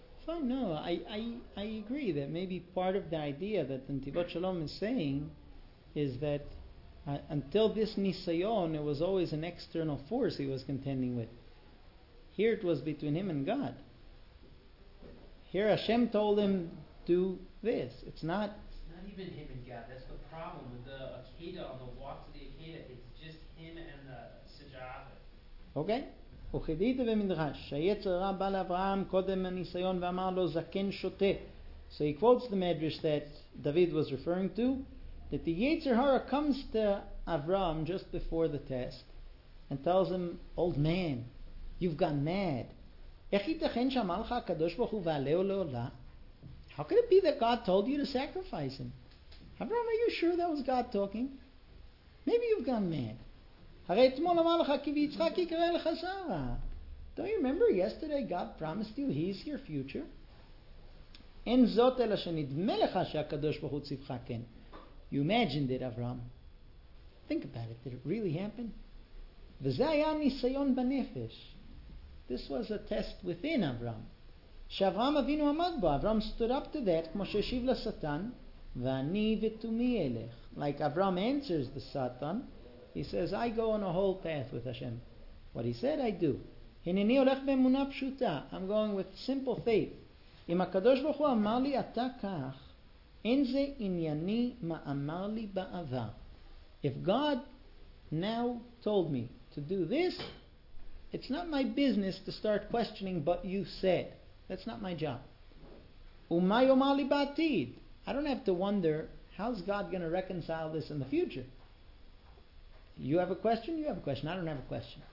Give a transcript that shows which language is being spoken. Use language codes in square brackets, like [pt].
[en] Oh, no, I agree that maybe part of the idea that the Netivot Shalom is saying is that until this Nisayon, it was always an external force he was contending with. Here it was between him and God. Here Hashem told him, do this. It's not even him and God. that. That's the problem with the Akedah, on the walk to the Akedah. It's just him and the Sejavit. Okay. [he] וכדית במדרש, שהיצר הרע בא לאברהם קודם הניסיון ואמר לו, זקן שוטה. [en] So he quotes the Medrash that David was referring to, that the Yetzer Hara comes to Avram just before the test and tells him, old man, you've gone mad. [he] איך ייתכן שאמר לך הקדוש ברוך הוא ועלהו לעולה? [en] How could it be that God told you to sacrifice him? Avram, are you sure that was God talking? Maybe you've gone mad. [he] הרי אתמול אמר לך כי ביצחק יקרא לך שרה. [en] Don't you remember yesterday God promised you he's your future? [he] אין זאת אלא שנדמה לך שהקדוש ברוך הוא ציווך כן. [en] You imagined it, Avram. Think about it. Did it really happen? [he] וזה היה ניסיון בנפש. [en] This was a test within Avram. [he] שאברהם אבינו עמד בו. [en] Avram stood up to that [he] כמו שהשיב לשטן, ואני ותומי אלך. [en] Like Avram answers the Satan, he says, I go on a whole path with Hashem. What he said, I do. [he] הנני הולך באמונה פשוטה. [en] I'm going with simple faith. [he] אם הקדוש ברוך הוא אמר לי אתה כך, אין זה ענייני מה אמר לי בעבר. [en] If God now told me to do this, it's not my business to start questioning what you said. That's not my job. [he] ומה יאמר לי בעתיד? [en] I don't have to wonder, how's God going to reconcile this in the future? You have a question? You have a question. I don't have a question.